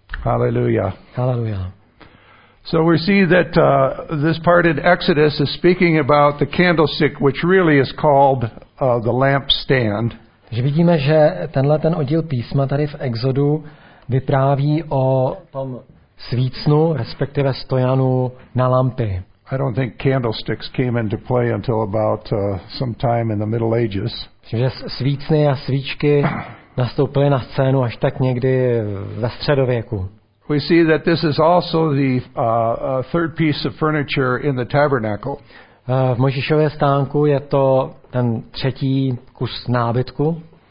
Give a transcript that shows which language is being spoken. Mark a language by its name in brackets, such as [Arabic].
[English] Hallelujah. Hallelujah. So we see that this part in Exodus is speaking about the candlestick, which really is called the lampstand. [Czech] Že vidíme, že tenhle ten oddíl písma tady v Exodu vypráví o tom svícnu, respektive stojanu na lampy. [English] I don't think candlesticks came into play until about sometime in the Middle Ages. [Czech] Že svícny a svíčky nastoupily na scénu až tak někdy ve středověku. [English] We see that this is also the third piece of furniture in the tabernacle. [Czech] V Mojžíšově stánku je to ten třetí kus nábytku.